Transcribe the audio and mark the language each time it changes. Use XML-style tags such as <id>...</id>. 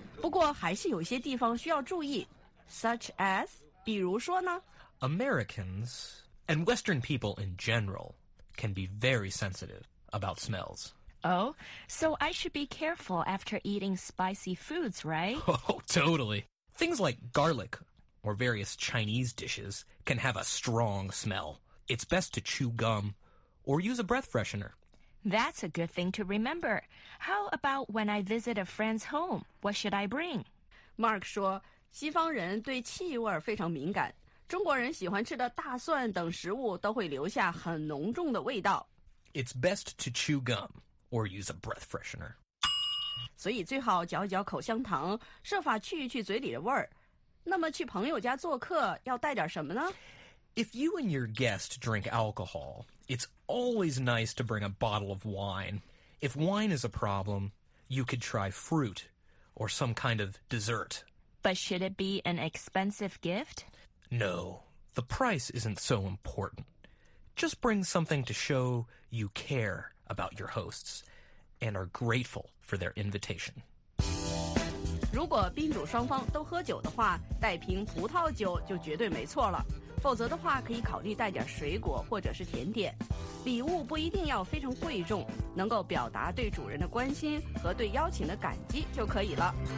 <zh>不过还是有些地方需要注意。</zh> <en>Such as,</en> <zh>比如说呢？</zh> <en>Americans, and Western people in general, can be very sensitive about smells. Oh, so I should be careful after eating spicy foods, right? Oh, totally. Things like garlic or various Chinese dishes can have a strong smell. It's best to chew gum or use a breath freshener. That's a good thing to remember. How about when I visit a friend's home? What should I bring?</en> <zh>Mark 说，西方人对气味非常敏感。中国人喜欢吃的大蒜等食物都会留下很浓重的味道。</zh> <en>It's best to chew gum or use a breath freshener.</en> <zh>所以最好嚼嚼口香糖，设法去一去嘴里的味儿。那么去朋友家做客要带点什么呢？</zh> <en>If you and your guest drink alcohol, it's always nice to bring a bottle of wine. If wine is a problem, you could try fruit or some kind of dessert. But should it be an expensive gift? No, the price isn't so important. Just bring something to show you care about your hosts and are grateful for their invitation.</en> <zh>如果宾主双方都喝酒的话，带瓶葡萄酒就绝对没错了。否则的话，可以考虑带点水果或者是甜点。礼物不一定要非常贵重，能够表达对主人的关心和对邀请的感激就可以了。</zh>